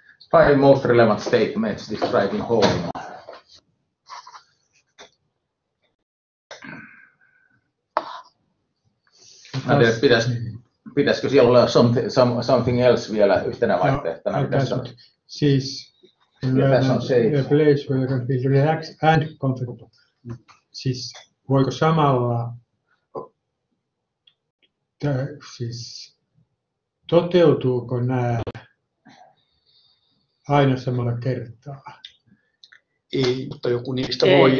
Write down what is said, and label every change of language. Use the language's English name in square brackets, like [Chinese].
[English] Five most relevant statements describing home. [Finnish] Pitäisikö siellä olla [English] something else [Finnish] vielä yhtenä vaihtoehtona? Siis [English] a place where you can feel relaxed and comfortable. [Finnish] Siis voiko samalla siis toteutuuko nämä aina samalla kertaa? Ei, mutta joku niistä voi.